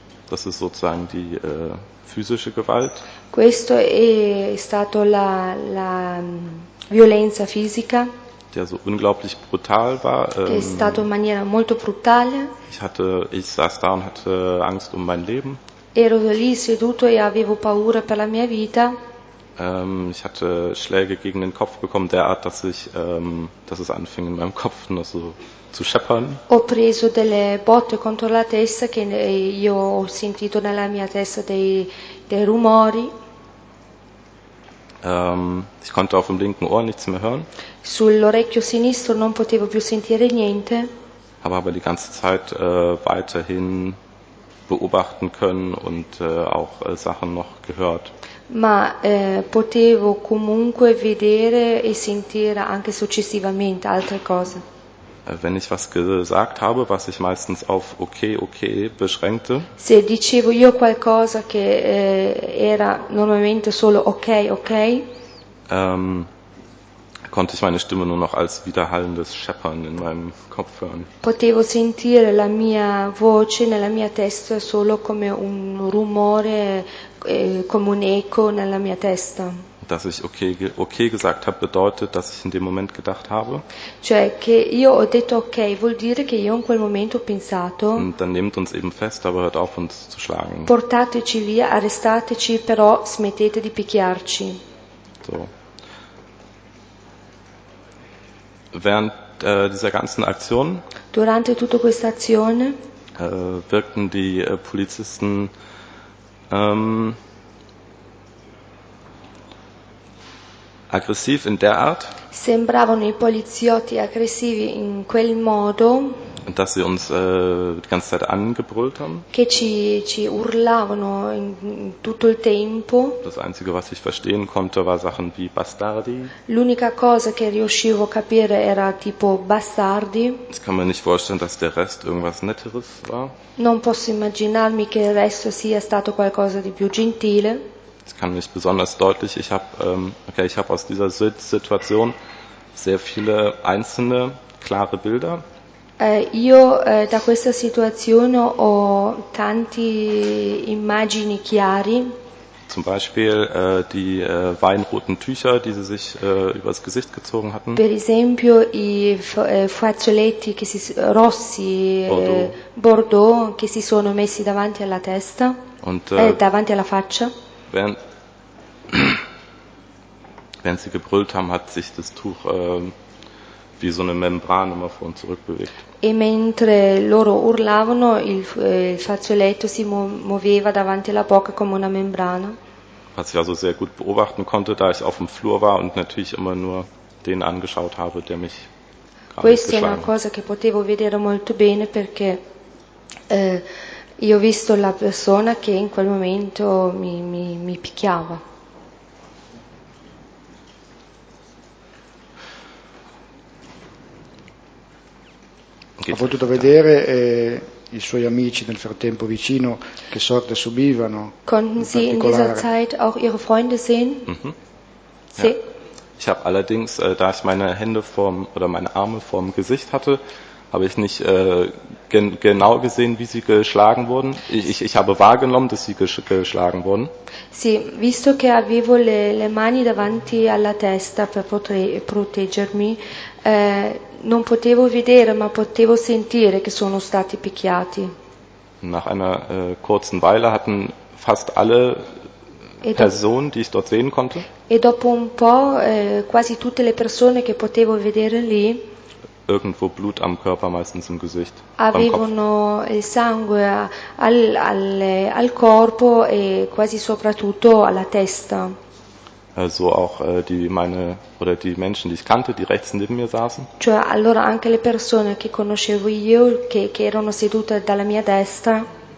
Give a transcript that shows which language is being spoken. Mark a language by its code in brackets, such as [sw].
[de] Das ist sozusagen die physische Gewalt. [it] Questo è stato la violenza fisica. [de] Der so unglaublich brutal war. [it] È stato in maniera molto brutale. [de] Ich saß da und hatte Angst um mein Leben. [it] Ero lì seduto e avevo paura per la mia vita. [de] Ich hatte Schläge gegen den Kopf bekommen, derart, dass es anfing in meinem Kopf noch so zu scheppern. [it] Ho preso delle botte contro la testa che io ho sentito nella mia testa dei rumori. [de] Ich konnte auf dem linken Ohr nichts mehr hören. [it] Sull'orecchio sinistro non potevo più sentire niente. [de] Habe aber die ganze Zeit weiterhin beobachten können und auch Sachen noch gehört. [it] Ma potevo comunque vedere e sentire anche successivamente altre cose. [de] wenn ich was gesagt habe, was ich meistens auf okay, okay beschränkte. [it] Se dicevo io qualcosa che era normalmente solo okay, okay. [de] Konnte ich meine Stimme nur noch als widerhallendes Scheppern in meinem Kopf hören. [it] Potevo sentire la mia voce nella mia testa solo come un rumore, come un eco nella mia testa. [de] Dass ich okay gesagt habe, bedeutet, dass ich in dem Moment gedacht habe. [it] Cioè che io ho detto okay vuol dire che io in quel momento ho pensato. [de] Und dann nehmt uns eben fest, aber hört auf uns zu schlagen. [it] Portateci via, arrestateci, però smettete di picchiarci. [de] So. Während dieser ganzen Aktion. [it] Durante tutta questa azione. [de] Wirkten die Polizisten. Aggressiv in der Art. [it] Sembravano i poliziotti aggressivi in quel modo. [de] Dass sie uns die ganze Zeit angebrüllt haben. [it] Che ci urlavano in tutto il tempo. [de] Das Einzige, was ich verstehen konnte, war Sachen wie Bastardi. [it] L'unica cosa che riuscivo a capire era tipo Bastardi. [de] Ich kann mir nicht vorstellen, dass der Rest irgendwas Netteres war. [it] Non posso immaginarmi che il resto sia stato qualcosa di più gentile. [de] Ich kann nicht besonders deutlich. Ich habe ich habe aus dieser Situation sehr viele einzelne klare Bilder. [it] Da questa situazione ho tanti immagini chiari. [de] Zum Beispiel die weinroten Tücher, die sie sich übers Gesicht gezogen hatten. [it] Per esempio i fazzoletti che si rossi Bordeaux che si sono messi davanti alla testa. [de] Und [it] davanti alla faccia. [de] Wenn sie gebrüllt haben, hat sich das Tuch wie so eine Membran immer vor und zurück bewegt. [it] E mentre loro urlavano, il fazzoletto si muoveva davanti alla bocca come una membrana. [de] Was ich also sehr gut beobachten konnte, da ich auf dem Flur war und natürlich immer nur den angeschaut habe, der mich gerade geschlagen hat. [it] Questa è una cosa che potevo vedere molto bene perché io ho visto la persona che in quel momento mi picchiava. Ha potuto vedere i suoi amici nel frattempo vicino che sorte subivano. [de] Konnten Sie in dieser Zeit auch Ihre Freunde sehen? Mhm. Sì. Ja. Ich habe allerdings, da ich meine Hände vorm oder meine Arme vorm Gesicht hatte, habe ich nicht genau gesehen, wie sie geschlagen wurden. Ich habe wahrgenommen, dass sie geschlagen wurden. [it] Sì, visto che avevo le mani davanti alla testa per proteggermi, non potevo vedere, ma potevo sentire che sono stati picchiati. [de] Nach einer kurzen Weile hatten fast alle Personen, die ich dort sehen konnte. [it] E dopo un po', quasi tutte le persone che potevo vedere lì. [de] Irgendwo Blut am Körper, meistens im Gesicht. [it] Avevano il sangue al corpo e quasi soprattutto alla testa. [de] Also auch die Menschen, die ich kannte, die rechts neben mir saßen. [it] Cioè allora anche le persone che conoscevo io, che erano sedute dalla mia destra.